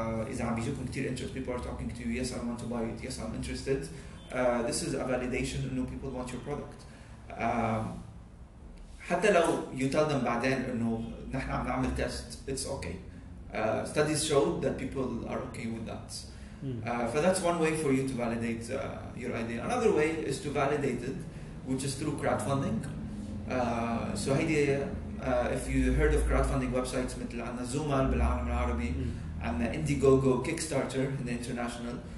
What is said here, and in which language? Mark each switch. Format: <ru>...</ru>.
<en>Is MBG clicks interested? People are talking to you, yes, I want to buy it, yes, I'm interested. This is a validation that new people want your product.</en> <ar>حتى لو</ar> <en>you tell them</en> <ar>بعدين إنه نحنا عم نعمل test,</ar> <en>it's okay. Studies show that people are okay with that. So that's one way for you to validate your idea. Another way is to validate it, which is through crowdfunding. So هيدي if you heard of crowdfunding websites</en> <ar>مثل عنا زومال بالعالم العربي,</ar> <en>عنا Indiegogo, Kickstarter in the international.</en>